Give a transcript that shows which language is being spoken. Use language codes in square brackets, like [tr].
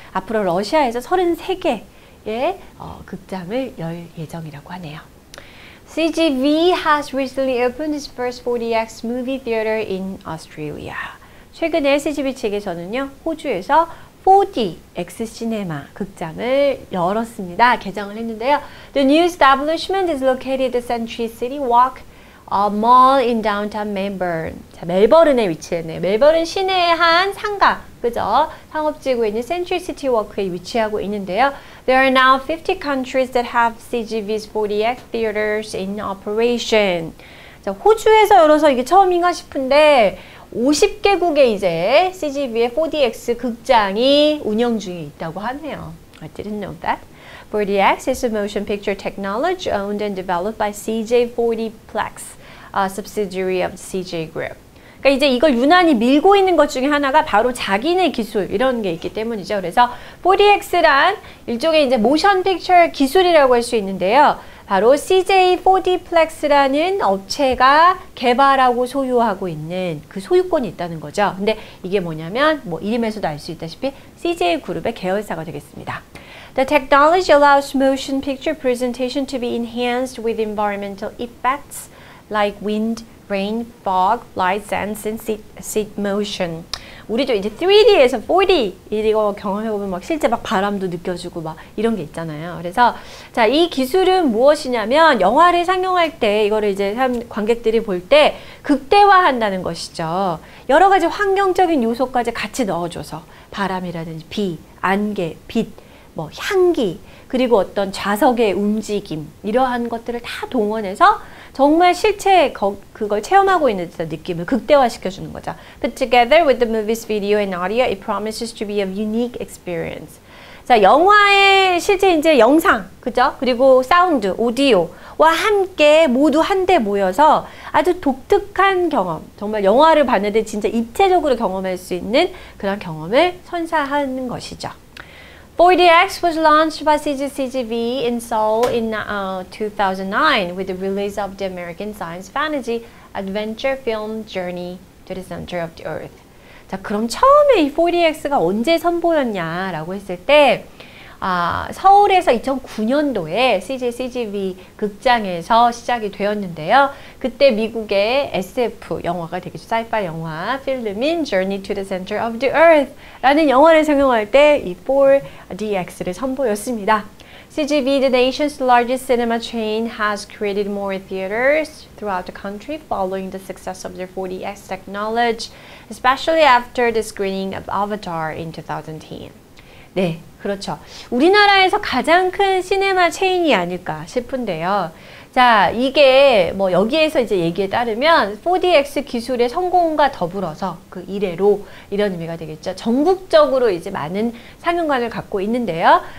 [ko] 앞으로 러시아에서 33개 예, 극장을 열 예정이라고 하네요. [en] CGV has recently opened its first 4DX movie theater in Australia. [ko] 최근에 CGV 측에서는요, 호주에서 4DX 시네마 극장을 열었습니다. 개장을 했는데요. [en] The new establishment is located at the Century City Walk, a mall in downtown Melbourne. [ko] 자, 멜버른에 위치했네요. 멜버른 시내의 한 상가. 그죠? 상업지구에 있는 Century City Walk에 위치하고 있는데요. [en] There are now 50 countries that have CGV's 4DX theaters in operation. [ko] 자, 호주에서 열어서 이게 처음인가 싶은데 50개국에 이제 CGV의 4DX 극장이 운영 중에 있다고 하네요. [en] I didn't know that. 4DX is a motion picture technology owned and developed by CJ4Dplex, a subsidiary of CJ Group. [ko] 그러니까 이제 이걸 유난히 밀고 있는 것 중에 하나가 바로 자기네 기술 이런 게 있기 때문이죠. 그래서 4DX란 일종의 이제 모션 픽처 기술이라고 할 수 있는데요. 바로 CJ4Dplex라는 업체가 개발하고 소유하고 있는 그 소유권이 있다는 거죠. 근데 이게 뭐냐면 뭐 이름에서도 알 수 있다시피 CJ그룹의 계열사가 되겠습니다. [en] The technology allows motion picture presentation to be enhanced with environmental effects like wind, rain, fog, lights, and seat motion. [ko] 우리도 이제 3D에서 4D 이거 경험해보면 막 실제 막 바람도 느껴지고 막 이런 게 있잖아요. 그래서 자, 이 기술은 무엇이냐면 영화를 상영할 때 이거를 이제 관객들이 볼 때 극대화한다는 것이죠. 여러 가지 환경적인 요소까지 같이 넣어줘서 바람이라든지 비, 안개, 빛, 뭐 향기 그리고 어떤 좌석의 움직임 이러한 것들을 다 동원해서 정말 실제 그걸 체험하고 있는 듯한 느낌을 극대화시켜주는 거죠. [en] Put together with the movie's video and audio, it promises to be a unique experience. [ko] 자, 영화의 실제 이제 영상, 그죠? 그리고 사운드, 오디오와 함께 모두 한데 모여서 아주 독특한 경험, 정말 영화를 봤는데 진짜 입체적으로 경험할 수 있는 그런 경험을 선사하는 것이죠. [en] 4DX was launched by CGCGV in Seoul in 2009 with the release of the American science fantasy adventure film Journey to the Center of the Earth. [ko] 자, 그럼 처음에 이 4DX가 언제 선보였냐라고 했을 때 서울에서 2009년도에 CJCGV 극장에서 시작이 되었는데요. 그때 미국의 SF 영화가 되겠죠. 사이파이 영화 필름인 Journey to the Center of the Earth라는 영화를 상영할 때 이 4DX를 선보였습니다. [en] CGV, the nation's largest cinema chain, has created more theaters throughout the country following the success of their 4DX technology, especially after the screening of Avatar in 2010. [ko] 네, 그렇죠. 우리나라에서 가장 큰 시네마 체인이 아닐까 싶은데요. 자, 이게 뭐 여기에서 이제 얘기에 따르면 4DX 기술의 성공과 더불어서 그 이래로 이런 의미가 되겠죠. 전국적으로 이제 많은 상영관을 갖고 있는데요.